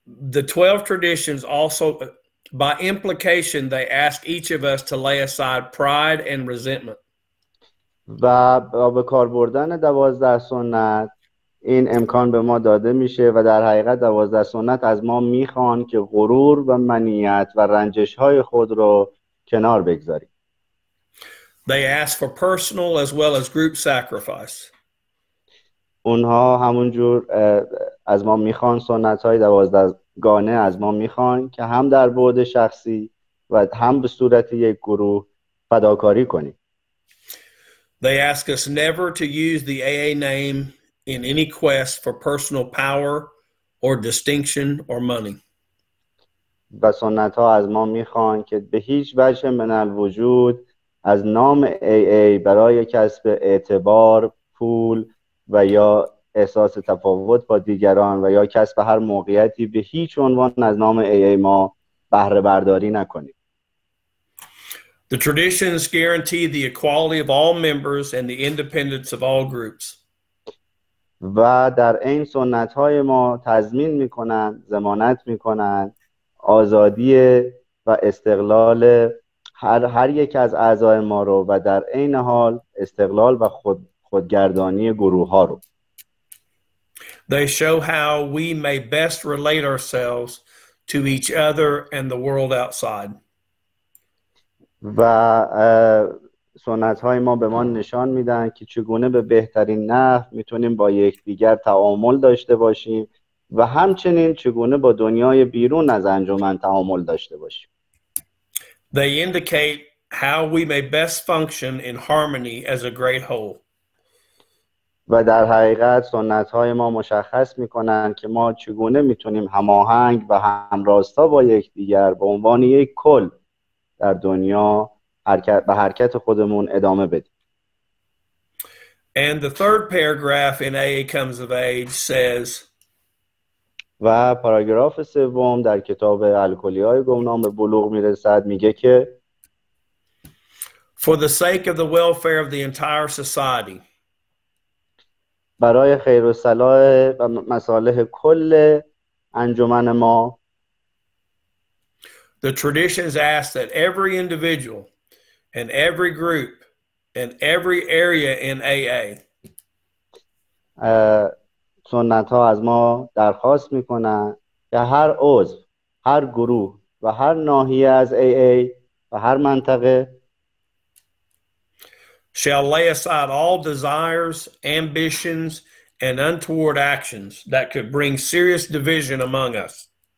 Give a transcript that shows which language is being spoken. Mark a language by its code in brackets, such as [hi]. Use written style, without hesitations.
[en] The 12 traditions also, by implication, they ask each of us to lay aside pride and resentment. [fa] و با کار بردن 12 سنت این امکان به ما داده میشه و در حقیقت 12 سنت از ما میخوان که غرور و منیت و رنجش های خود رو کنار بگذاریم. [en] They ask for personal as well as group sacrifice. [fa] اونها همون جور از ما میخوان سنت های 12 گانه از ما میخوان که هم در بعد شخصی و هم به صورت یک گروه فداکاری کنیم. [en] They ask us never to use the AA name in any quest for personal power or distinction or money. [fa] و سنت ها از ما میخوان که به هیچ وجه من الوجود از نام AA برای کسب اعتبار، پول و یا احساس تفاوت با دیگران و یا کسب هر موقعیتی به هیچ عنوان از نام AA ما بهره برداری نکنیم. [en] The traditions guarantee the equality of all members and the independence of all groups. [fa] و در این سنت‌های ما تضمین می‌کنند، ضمانت می‌کنند آزادی و استقلال هر یک از اعضای ما رو و در این حال استقلال و خودگردانی گروه‌ها رو. [en] They show how we may best relate ourselves to each other and the world outside. [fa] و سنت های ما به ما نشان میدن که چگونه به بهترین نحو میتونیم با یکدیگر تعامل داشته باشیم و همچنین چگونه با دنیای بیرون از انجمن تعامل داشته باشیم. [en] They indicate how we may best function in harmony as a great whole. [fa] و در حقیقت سنت های ما مشخص میکنن که ما چگونه میتونیم هماهنگ و همراستا با یکدیگر به عنوان یک کل در دنیا به حرکت خودمون ادامه بدیم. [en] And the third paragraph in AA Comes of Age says [fa] و پاراگراف سوم در کتاب الکلی‌های گمنام به بلوغ میرسد میگه که [en] For the sake of the welfare of the entire society [fa] برای خیر و صلاح و مصالح کل انجمن ما [en] The traditions ask that every individual and every group and every area in AA. [fa] سنت ها از ما درخواست میکنن که هر عضو، هر گروه و هر ناحیه از AA و هر منطقه [en] shall lay aside all desires, ambitions, and untoward actions that could bring serious division among us.